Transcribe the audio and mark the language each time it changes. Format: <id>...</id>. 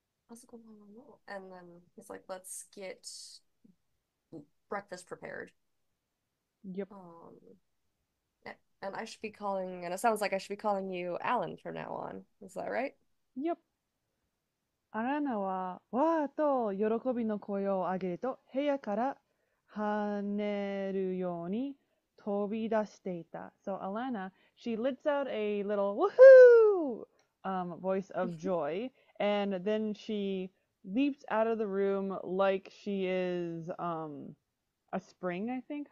<en>And then he's like, let's get breakfast prepared. Yep. And I should be calling, and it sounds like I should be calling you Alan from now on. Is that right? Yep.</en> <ja>アラナはわーと喜びの声を上げると部屋から跳ねるように飛び出していた。</ja> <en>So Alana, she lets out a little woohoo voice of joy, and then she leaps out of the room like she is a spring, I think.</en>